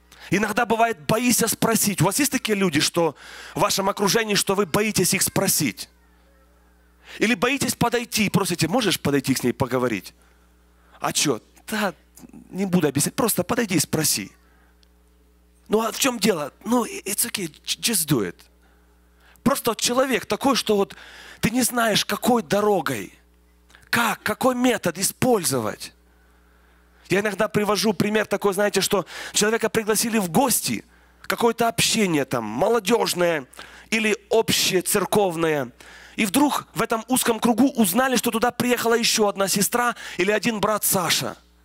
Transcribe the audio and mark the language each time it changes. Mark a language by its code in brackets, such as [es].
[ru] Иногда бывает, боишься спросить. У вас есть такие люди, что в вашем окружении, что вы боитесь их спросить? Или боитесь подойти и просите, можешь подойти с ней поговорить? А что? Да, не буду объяснять, просто подойди и спроси. Ну, а в чем дело? [en] Ну, it's okay, just do it. [ru] Просто человек такой, что вот ты не знаешь, какой дорогой, как, какой метод использовать. Я иногда привожу пример такой, знаете, что человека пригласили в гости, какое-то общение там, молодежное или общее церковное, и вдруг в этом узком кругу узнали, что туда приехала еще одна сестра или один брат Саша.